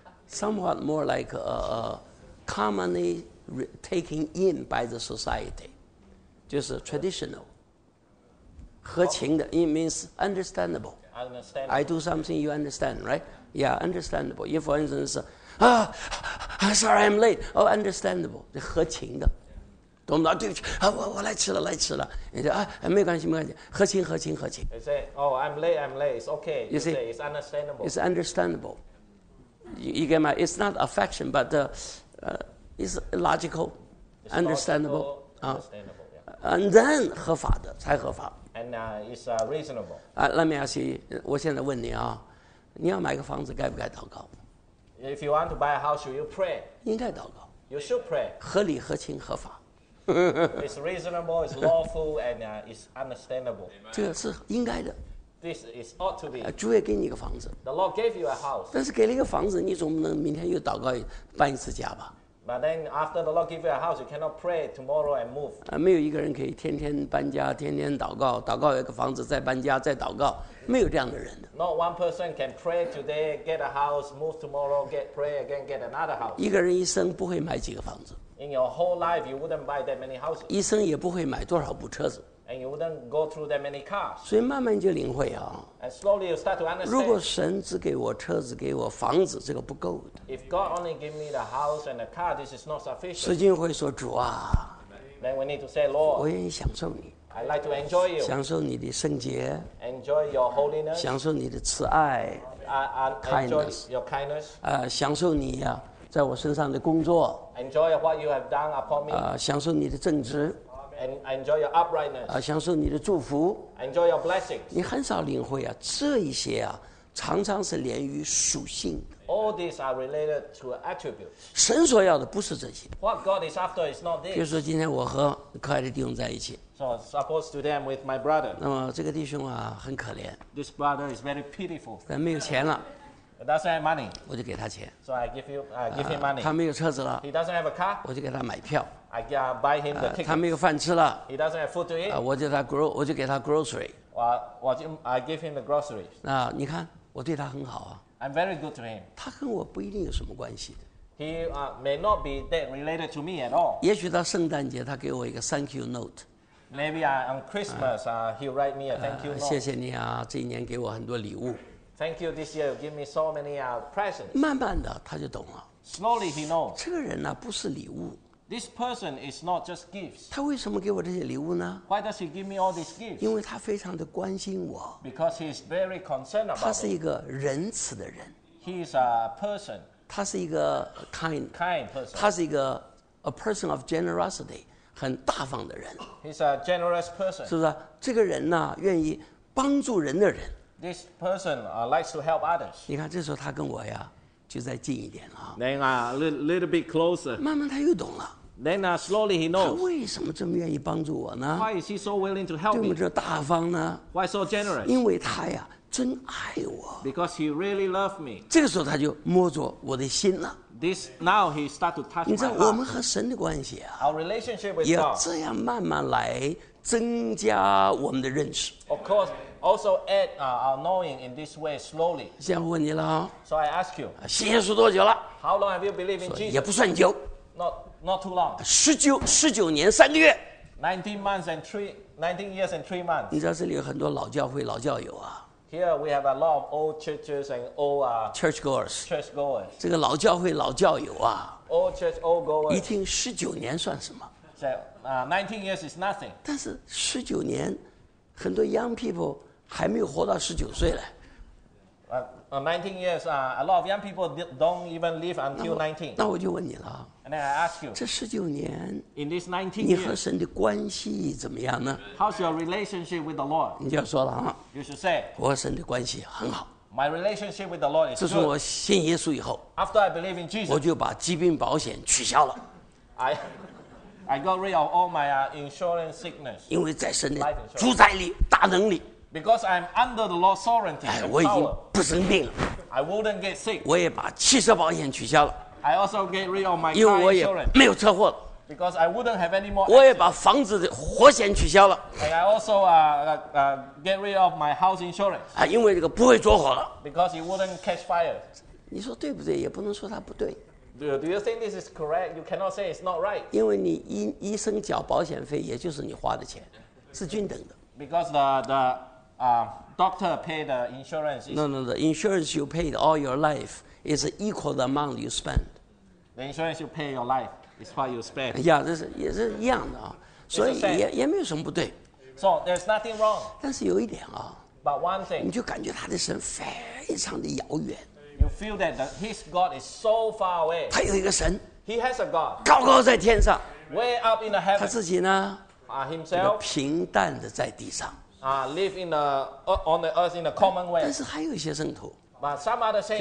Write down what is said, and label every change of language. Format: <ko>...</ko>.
<en>Somewhat more like a commonly taken in by the society,</en> <zh>就是</zh> <en>traditional,</en> <zh>合情的</zh> <en>it means understandable. Understandable. I do something, you understand, right? Yeah, understandable. If, for instance, sorry, I'm late. Oh, understandable.</en> <zh>这合情的，懂不懂？对不起，我来迟了，来迟了。你说啊，没关系，合情。</zh> <en>You say, oh, I'm late. It's okay. You say, it's understandable. It's understandable. You get my? It's not affection, but It's logical, understandable. And then</en> <zh>合法的才合法。</zh> <en>And it's reasonable. Let me ask you.</en> <zh>我现在问你啊，你要买个房子，该不该祷告</zh> <en>？If you want to buy a house, should you pray?</en> <zh>应该祷告。</zh> <en>You should pray.</en> <zh>合理、合情、合法。</zh> <en>It's reasonable. It's lawful. And it's understandable.</en> <zh>这个是应该的。</zh> <en>This is ought to be.</en> <zh>主也给你个房子。</zh> <en>The Lord gave you a house.</en> <zh>但是给了一个房子，你总不能明天又祷告搬一次家吧？</zh> <en>But then after the Lord give you a house, you cannot pray tomorrow and move.</en> <zh>没有一个人可以天天搬家，天天祷告，祷告一个房子，再搬家，再祷告，没有这样的人的。</zh> <en>Not one person can pray today, get a house, move tomorrow, get pray again, get another house.</en> <zh>一个人一生不会买几个房子。</zh> <en>In your whole life, you wouldn't buy that many houses.</en> <zh>一生也不会买多少部车子。</zh> <en>And you wouldn't go through that many cars.</en> <zh>所以慢慢就领会啊。</zh> <en>And slowly you start to understand.</en> <zh>如果神只给我车子，给我房子，这个不够的。</zh> <en>If God only give me the house and the car, this is not sufficient.</en> <zh>使劲会说主啊。</zh> <en>Then we need to say, Lord.</en> <zh>我愿意享受你。</zh> <en>I like to enjoy you.</en> <zh>享受你的圣洁。</zh> <en>Enjoy your holiness.</en> <zh>享受你的慈爱。</zh> <en>Kindness. Enjoy your kindness.</en> <zh>享受你呀、在我身上的工作。</zh> <en>Enjoy what you have done upon me.</en> <zh>享受你的正直。</zh> <en>And enjoy your uprightness.</en> <zh>享受你的祝福。</zh> <en>Enjoy your blessings.</en> <zh>你很少领会啊，这一些啊，常常是连于属性。</zh> <en>All these are related to attributes.</en> <zh>神所要的不是这些。</zh> <en>What God is after is not this.</en> <zh>比如说今天我和可爱的弟兄在一起。</zh> <en>So suppose today I'm with my brother.</en> <zh>那么这个弟兄啊，很可怜。</zh> <en>This brother is very pitiful.</en> <zh>但没有钱了。</zh> <en>He doesn't have money.</en> <zh>我就给他钱。</zh> <en>So I give him money.</en> <zh>他没有车子了。</zh> <en>He doesn't have a car.</en> <zh>我就给他买票。</zh> <en>I can buy him the ticket.</en> <zh>他没有饭吃了。</zh> <en>He doesn't have food to eat.</en> <zh>我就给他 grocery.</zh> <en>I give him the groceries.</en> <zh>那你看，我对他很好啊。</zh> <en>I'm very good to him.</en> <zh>他跟我不一定有什么关系的。</zh> <en>He may not be that related to me at all.</en> <zh>也许到圣诞节，他给我一个</zh> <en>thank you note. Maybe on Christmas, he'll write me a thank you note.</en> <zh>谢谢你啊，这一年给我很多礼物。</zh> <en>Thank you, this year you give me so many presents.</en> <zh>慢慢的他就懂了。</zh> <en>Slowly he knows.</en> <zh>这个人呢、啊、不是礼物。</zh> <en>This person is not just gifts.</en> <zh>他为什么给我这些礼物呢？</zh> <en>Why does he give me all these gifts?</en> <zh>因为他非常的关心我。</zh> <en>Because he is very concerned about.</en> <zh>他是一个仁慈的人。</zh> <en>He is a person.</en> <zh>他是一个 kind.</zh> <en>Kind person.</en> <zh>他是一个</zh> <en>a person of generosity.</en> <zh>很大方的人</zh> <en>He's a generous person.</en> <zh>是不是、啊、这个人呢、啊、愿意帮助人的人</zh> <en>This person, likes to help others.</en> <zh>你看这时候他跟我呀就再近一点了</zh> <en>Then a little bit closer.</en> <zh>慢慢他又懂了</zh> <en>Then slowly he knows.</en> <zh>他为什么这么愿意帮助我呢</zh> <en>Why is he so willing to help me?</en> <zh>对我这大方呢</zh> <en>Why so generous?</en> <zh>因为他呀真爱我</zh> <en>Because he really loves me.</en> <zh>这个时候他就摸着我的心了</zh> <en>This now he start to touch my heart.</en> <zh>你知道我们和神的关系啊</zh> <en>，Our relationship with God</en> <zh>也这样慢慢来增加我们的认识。</zh> <en>Of course, also add our knowing in this way slowly.</en> <zh>这样问你了</zh> <en>啊 ，So I ask you,</en> <zh>信耶稣多久了</zh> <en>？How long have you believed in Jesus?</en> <zh>也不算久</zh> <en>，Not too long.</en> <zh>19年3个月。</zh> <en>19 years and 3 months.</en> <zh>你知道这里有很多老教会老教友啊。</zh> <en>Here we have a lot of old churches and old churchgoers. Churchgoers.</en> <zh>这个老教会老教友啊</zh> <en>Old church, old goers.</en> <zh>一听十九年算什么</zh> <en>19 years is nothing.</en> <zh>但是十九年，很多</zh> <en>young people</en> <zh>还没有活到十九岁嘞。</zh> <en>19 years, a lot of young people don't even live until 19.</en> <zh>那我就问你了。</zh> <en>And then I ask you.</en> <zh>这十九年</zh> <en>，In this 19 years,</en> <zh>你和神的关系怎么样呢</zh> <en>？How's your relationship with the Lord?</en> <zh>你就要说了啊。</zh> <en>You should say.</en> <zh>我和神的关系很好。</zh> <en>My relationship with the Lord is good.</en> <zh>自从我信耶稣以后</zh> <en>，After I believe in Jesus,</en> <zh>我就把疾病保险取消了。</zh> <en>I got rid of all my insurance sickness.</en> <zh>因为在神的主宰里、大能里。</zh> <en>Because I'm under the Lord's sovereignty.</en> <zh>哎，我已经不生病了。</zh> <en>I wouldn't get sick.</en> <zh>我也把汽车保险取消了。</zh> <en>I also get rid of my car insurance.</en> <zh>因为我也没有车祸了。</zh> <en>Because I wouldn't have any more.</en> <zh>我也把房子的火险取消了。</zh> <en>And I also get rid of my house insurance.</en> <zh>哎，因为这个不会着火了。</zh> <en>Because it wouldn't catch fire.</en> <zh>你说对不对？也不能说它不对。</zh> <en>Do you think this is correct? You cannot say it's not right.</en> <zh>因为你医生缴保险费，也就是你花的钱，是均等的。</zh> <en>Because the doctor pay the insurance. No, the insurance you paid all your life is equal the amount you spend. The insurance you pay your life is what you spend.</en> <zh>Yeah, 这是也是一样的啊，所以也没有什么不对。</zh> <en>So there's nothing wrong.</en> <zh>但是有一点啊</zh> <en>，But one thing.</en> <zh>你就感觉他的神非常的遥远。</zh> <en>You feel that his God is so far away.</en> <zh>他有一个神。</zh> <en>He has a God.</en> <zh>高高在天上。</zh> <en>Way up in the heaven.</en> <zh>他自己呢</zh> <en>？Himself.</en> <zh>平淡的在地上。</zh> <en>Live in the on the earth in a common way.</en> <zh>但是还有一些圣徒</zh> <en>，but some other saints</en>